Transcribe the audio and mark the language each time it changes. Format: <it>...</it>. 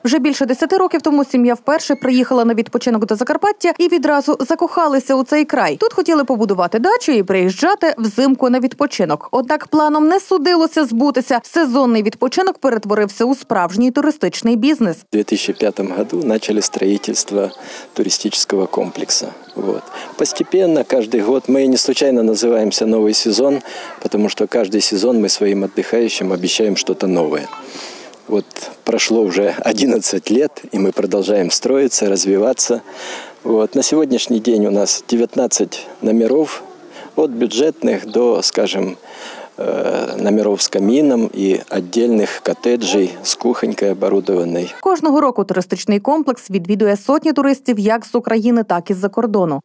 <uk>Вже більше 10 років тому сім'я вперше приїхала на відпочинок до Закарпаття і відразу закохалися у цей край. Тут хотіли побудувати дачу і приїжджати взимку на відпочинок. Однак планом не судилося збутися. Сезонний відпочинок перетворився у справжній туристичний бізнес. У 2005 году почали будівництво туристичного комплексу.</uk> <ru>Вот. Постепенно, каждый год, мы не случайно называемся «Новый сезон», потому что каждый сезон мы своим отдыхающим обещаем что-то новое. Вот прошло уже 11 лет, и мы продолжаем строиться, развиваться. Вот. На сегодняшний день у нас 19 номеров, от бюджетных до, скажем, номеров</ru> <uk>з каміном і віддельних котеджей з кухонькою оборудованою. Кожного року туристичний комплекс відвідує сотні туристів як з України, так і з-за кордону.</uk>